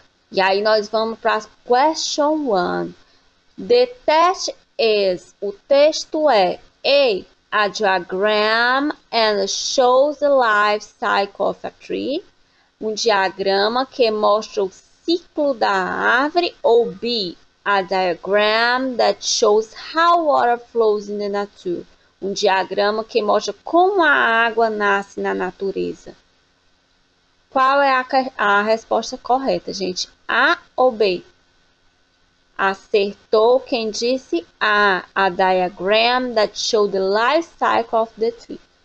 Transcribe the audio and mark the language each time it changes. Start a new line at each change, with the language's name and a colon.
Portuguese: E aí nós vamos para a
English: question one. The test is,
Portuguese: o texto é,
English: ei, a diagram and shows the life cycle of a tree.
Portuguese: Um diagrama que mostra o ciclo da árvore.
English: Ou B, a diagram that shows how water flows in the nature.
Portuguese: Um diagrama que mostra como a água nasce na natureza. Qual é a resposta correta, gente? A ou B? Acertou quem disse
English: a diagram that show the life cycle of the tree.